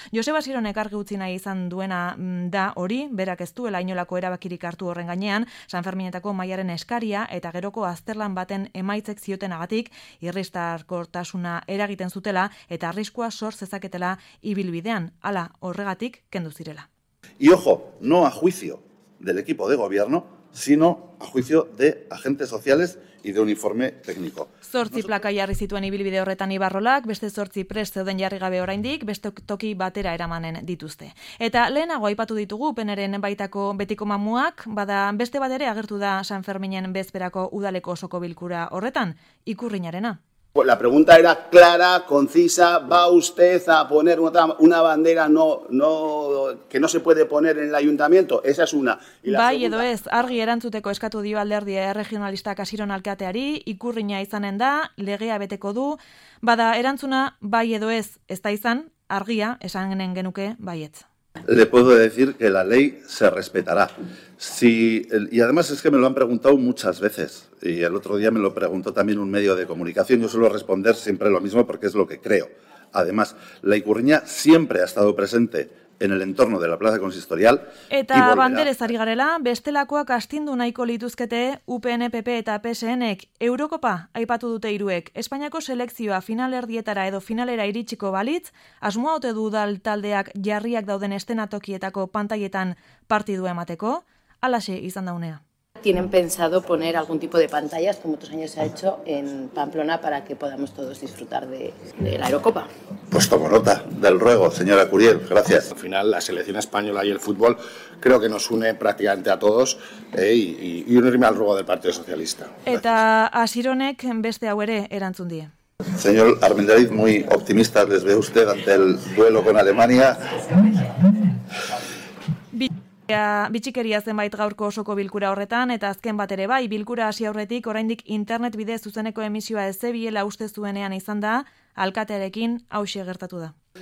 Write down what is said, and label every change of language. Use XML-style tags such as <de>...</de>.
<eu>Joseba Sironek argi utzi nahi izan duena da hori, berak ez duela inolako erabakirik hartu horren gainean, Sanferminetako mailaren eskaria eta geroko azterlan baten emaitzek ziotenagatik irristakortasuna eragiten zutela eta arriskua sor zezaketela ibilbidean, hala horregatik kendu zirela.</eu> <es>Y ojo, no a juicio del equipo de gobierno, sino a juicio de agentes sociales y de uniforme técnico.</es> <eu>8 plaka jarri zituen ibilbide horretan Ibarrolak, beste 8 prest zeuden jarri gabe oraindik, beste toki batera eramanen dituzte. Eta lehenago aipatu ditugu Peneren baitako betiko mamuak, bada beste bat ere agertu da Sanferminen bezperako udaleko osoko bilkura horretan, Ikurriñarena.</eu> <es>Pues la pregunta era clara, concisa, ¿va usted a poner una bandera que no se puede poner en el ayuntamiento? Esa es una. Y la</es> <eu>bai, edo ez, argi erantzuteko eskatu dio alderdia regionalista Kasiron alkateari, ikurriña izanen da, legea beteko du, bada erantzuna, bai edo ez, ez da izan, argia, esanen genuke, baietz.</eu> <es>Le puedo decir que la ley se respetará. Si, y además es que me lo han preguntado muchas veces. Y el otro día me lo preguntó también un medio de comunicación. Yo suelo responder siempre lo mismo porque es lo que creo. Además, la Ikurriña siempre ha estado presente en el entorno de la plaza consistorial.</es> <eu>Eta banderez ari garela, bestelakoak astindu nahiko lituzkete UPN, PP eta PSNek. Eurokopa aipatu dute hiruek. Espainiako selekzioa finalerdietara edo finalera iritsiko balitz, asmoa ote du udal taldeak jarriak dauden estenatokietako pantailetan partidua emateko? Alaxe izan daunea.</eu> <es>¿Tienen pensado poner algún tipo de pantallas, como otros años se ha hecho, en Pamplona para que podamos todos disfrutar de la Eurocopa? Pues tomo nota del ruego, señora Curiel. Gracias. Al final, la selección española y el fútbol creo que nos une prácticamente a todos y unirme al ruego del Partido Socialista. Gracias.</es> <eu>Eta asironek beste hau ere erantzun die.</eu> <es>Señor Armendariz, muy optimista les ve usted ante el duelo con Alemania.</es> <eu>Bitxikeria zenbait gaurko osoko bilkura horretan, eta azken bat ere bai, bilkura hasi aurretik oraindik internet bide zuzeneko emisioa ezebiela uste zuenean izan da, alkatearekin hauxe gertatu da.</eu>